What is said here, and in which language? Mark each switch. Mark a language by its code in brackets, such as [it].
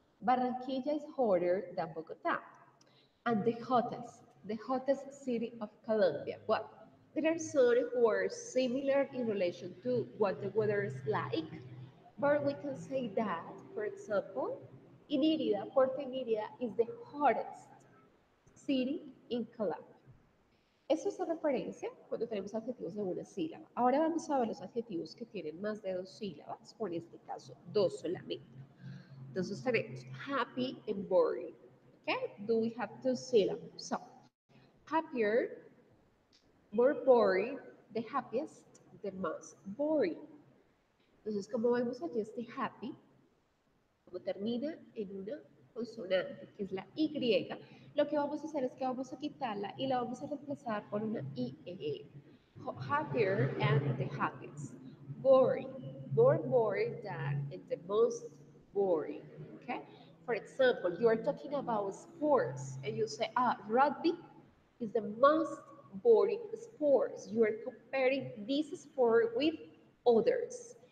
[en] Barranquilla is hotter than Bogotá. And the hottest city of Colombia. Well, there are some who are similar in relation to what the weather is like, but we can say that, for example, in Mérida, Puerto Mérida is the hottest city in Colombia. [es] Eso es la referencia cuando tenemos adjetivos de una sílaba. Ahora vamos a ver los adjetivos que tienen más de dos sílabas, o en este caso, dos solamente. Entonces tenemos [en] happy and boring. Okay? Do we have two syllables? So, happier, more boring, the happiest, the most boring. [es] Entonces, como vemos allí, este happy, como termina en una consonante, que es la Y, lo que vamos a hacer es que vamos a quitarla y la vamos a reemplazar por una IE. [en] Happier and the happiest. Boring. More boring than and the most boring. Okay? For example, you are talking about sports and you say, ah, rugby is the most boring sports. You are comparing this sport with others.